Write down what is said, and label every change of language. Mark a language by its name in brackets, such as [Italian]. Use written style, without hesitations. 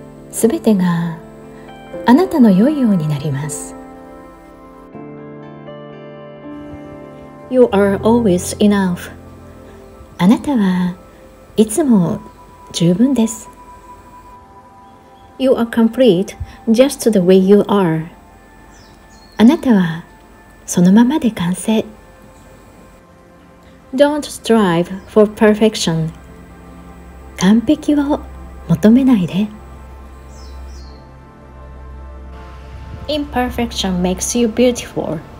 [Japanese] すべてがあなたの良いようになります。 [English] You are always enough. [Japanese] あなたはいつも十分です。 [English] You are complete just the way you are. [Japanese] あなたはそのままで完成。 [English] Don't strive for perfection. [Japanese] 完璧を求めないで。 [English] Imperfection makes you beautiful.